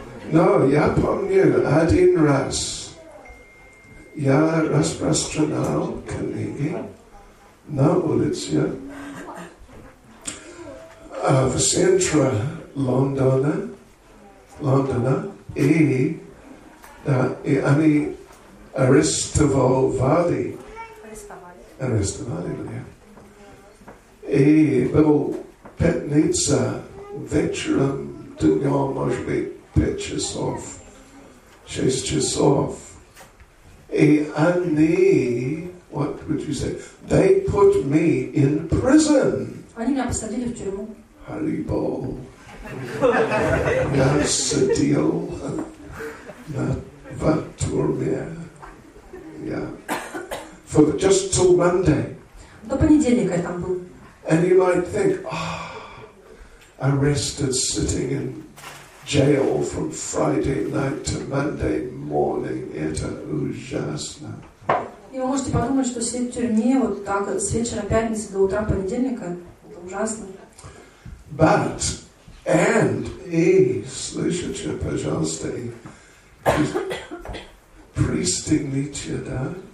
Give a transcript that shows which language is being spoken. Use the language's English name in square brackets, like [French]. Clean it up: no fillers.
[Russian] Но я помню один раз я распространял книги на улице в центре Лондона, и они арестовали меня. И был пятница вечером, днем, может быть, 5 часов, 6 часов. И они, [English] what would you say, they put me in prison. [Russian] Они меня посадили в тюрьму. Haribo. Я сидел в тюрьме. [English] For just till Monday. [Russian] До понедельника я там был. [English] And you might think, arrested sitting in jail from Friday night to Monday morning. [Russian] Это ужасно. И вы можете подумать, что сидеть в тюрьме вот так с вечера пятницы до утра понедельника, это ужасно. [English] But, and, [Russian] и, слышите, пожалуйста, и, пристегните, да?